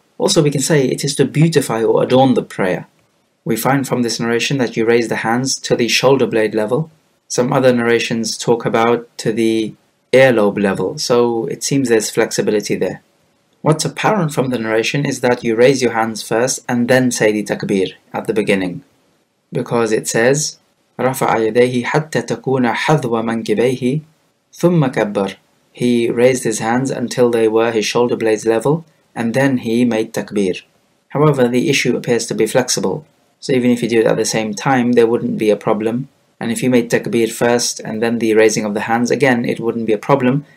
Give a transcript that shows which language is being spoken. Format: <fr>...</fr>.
<en>Also, we can say it is to beautify or adorn the prayer. We find from this narration that you raise the hands to the shoulder blade level. Some other narrations talk about to the earlobe level, so it seems there's flexibility there. What's apparent from the narration is that you raise your hands first and then say the takbir at the beginning. Because it says,</en> <ar>رَفَعَ يَدَيْهِ حَتَّى تَكُونَ حَذْوَ مَنْكِبَيْهِ ثُمَّ كَبَّرْ.</ar> <en>He raised his hands until they were his shoulder blades level, and then he made takbir. However, the issue appears to be flexible. So even if you do it at the same time, there wouldn't be a problem. And if you made takbir first, and then the raising of the hands, again, it wouldn't be a problem.</en>